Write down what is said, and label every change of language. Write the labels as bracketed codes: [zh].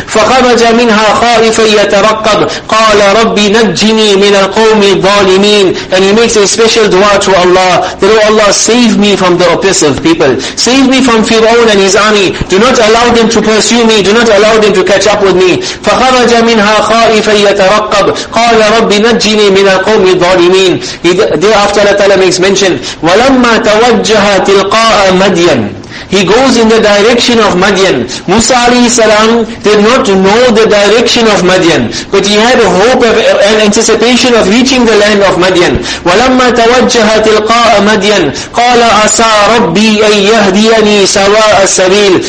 [ar] فَخَرَجَ مِنْهَا خَائِفًا يَتَرَقَّبْ قَالَ رَبِّ نَجِّنِي مِنَ الْقَوْمِ الظَّالِمِينَ. [en] And he makes a special dua to Allah, that oh Allah, save me from the oppressive people. Save me from Fir'aun and his army. Do not allow them to pursue me. Do not allow them to catch up with me. [ar] فخرج منها خائفا يترقب قال رب نجني من القوم الظالمين. [en] Thereafter Allah Ta'ala makes mention, [ar] ولما توجه تلقاء مدين. [en] He goes in the direction of Madian. Musa alayhi salam did not know the direction of Madian, but he had a hope of an anticipation of reaching the land of Madian. [ar] وَلَمَّا تَوَجَّهَ تِلْقَاءَ مَدْيَنَ قَالَ عَسَى رَبِّي أَن يَهْدِيَنِي سَوَاءَ السَّبِيلِ.